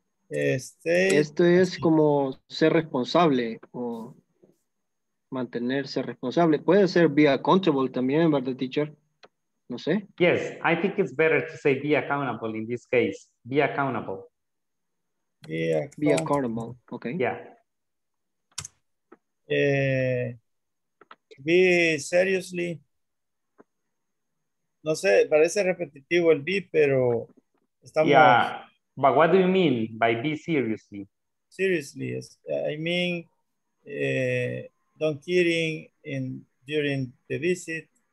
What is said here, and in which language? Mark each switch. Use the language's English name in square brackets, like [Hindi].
[Spanish] Esto es como ser responsable o mantenerse responsable. Puede ser be accountable también, ¿verdad, teacher? No sé. [English] Yes, I think it's better to say be accountable in this case. Be accountable. Be accountable, okay. Yeah. Be seriously. [Spanish] No sé, parece repetitivo el be, pero estamos... [English] Yeah. But what do you mean by be seriously? Seriously, yes. I mean, don't kidding in during the visit.